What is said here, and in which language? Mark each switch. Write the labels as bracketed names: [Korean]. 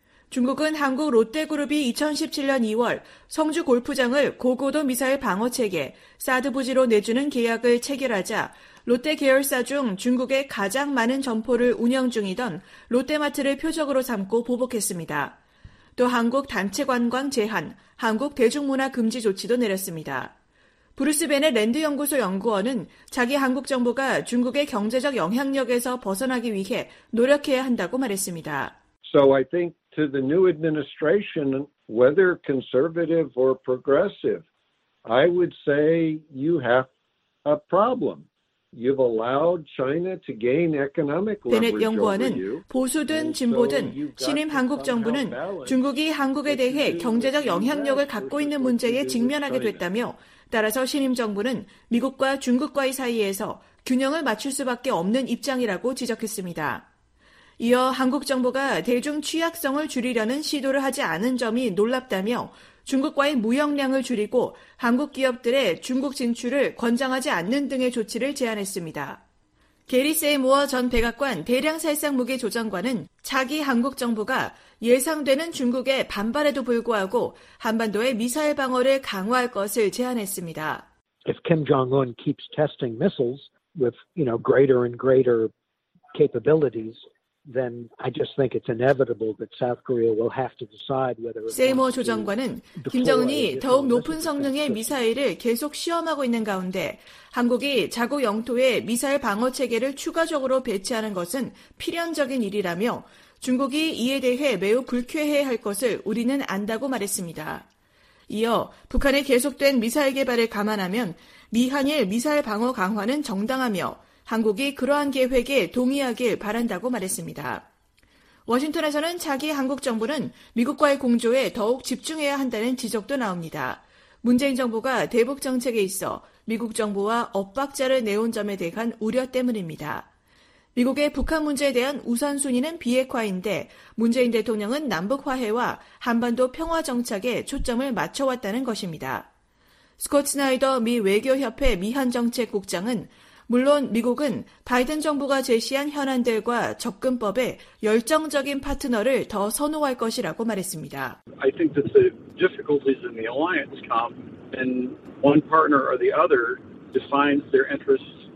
[Korean] 중국은 한국 롯데그룹이 2017년 2월 성주 골프장을 고고도 미사일 방어 체계, 사드 부지로 내주는 계약을 체결하자 롯데 계열사 중 중국의 가장 많은 점포를 운영 중이던 롯데마트를 표적으로 삼고 보복했습니다. 또 한국 단체 관광 제한, 한국 대중문화 금지 조치도 내렸습니다. 브루스베네 랜드연구소 연구원은 자기 한국 정부가 중국의 경제적 영향력에서 벗어나기 위해 노력해야 한다고 말했습니다. [English] So I think to the new administration, whether conservative or progressive, I would say you have a problem. You've allowed China to gain economic leverage. 베넷 [Korean] 연구원은 보수든 진보든 신임 한국 정부는 중국이 한국에 대해 경제적 영향력을 갖고 있는 문제에 직면하게 됐다며 따라서 신임 정부는 미국과 중국과의 사이에서 균형을 맞출 수밖에 없는 입장이라고 지적했습니다. 이어 한국 정부가 대중 취약성을 줄이려는 시도를 하지 않은 점이 놀랍다며 중국과의 무역량을 줄이고 한국 기업들의 중국 진출을 권장하지 않는 등의 조치를 제안했습니다. 게리 세이모어 전 백악관 대량살상무기 조정관은 차기 한국 정부가 예상되는 중국의 반발에도 불구하고 한반도의 미사일 방어를 강화할 것을 제안했습니다. [English] If Kim Jong-un keeps testing missiles with, you know, greater and greater capabilities, then I just think it's inevitable that South Korea will have to decide whether. [Korean] 세이머 조정관은 김정은이 더욱 높은 성능의 미사일을 계속 시험하고 있는 가운데 한국이 자국 영토에 미사일 방어 체계를 추가적으로 배치하는 것은 필연적인 일이라며 중국이 이에 대해 매우 불쾌해할 것을 우리는 안다고 말했습니다. 이어 북한의 계속된 미사일 개발을 감안하면 미한일 미사일 방어 강화는 정당하며 한국이 그러한 계획에 동의하길 바란다고 말했습니다. 워싱턴에서는 차기 한국 정부는 미국과의 공조에 더욱 집중해야 한다는 지적도 나옵니다. 문재인 정부가 대북 정책에 있어 미국 정부와 엇박자를 내온 점에 대한 우려 때문입니다. 미국의 북한 문제에 대한 우선순위는 비핵화인데 문재인 대통령은 남북 화해와 한반도 평화 정착에 초점을 맞춰왔다는 것입니다. 스콧 스나이더 미 외교협회 미한정책국장은 물론 미국은 바이든 정부가 제시한 현안들과 접근법에 열정적인 파트너를 더 선호할 것이라고 말했습니다. [English] I think that the difficulties in the alliance come in one partner or the other defines their interests.